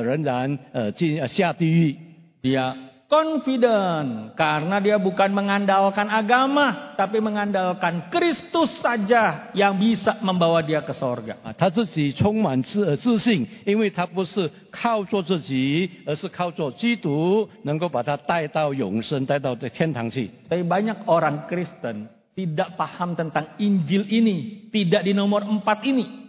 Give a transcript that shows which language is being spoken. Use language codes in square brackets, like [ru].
[zh] 他也是对第一主人表示同情，因为这么遵守了这个宗教，但是死了以后仍然下地狱。 [id] Dia confident karena dia bukan mengandalkan agama tapi mengandalkan Kristus saja yang bisa membawa dia ke sorga. [zh] 他自己充满自信，因为他不是靠着自己，而是靠着基督，能够把他带到永生，带到天堂去。 [id] Tapi banyak orang Kristen tidak paham tentang Injil ini, tidak di nomor 4 ini.